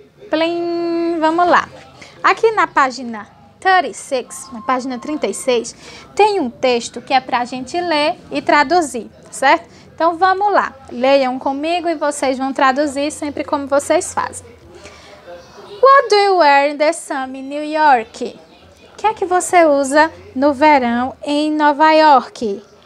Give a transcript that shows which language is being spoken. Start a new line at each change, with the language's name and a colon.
Portuguese: Plim, vamos lá. Aqui na página 36, na página 36, tem um texto que é pra gente ler e traduzir, certo? Então, vamos lá. Leiam comigo e vocês vão traduzir sempre como vocês fazem.
English: What do you wear in the summer in New York?
Portuguese: O que é que você usa no verão em Nova York?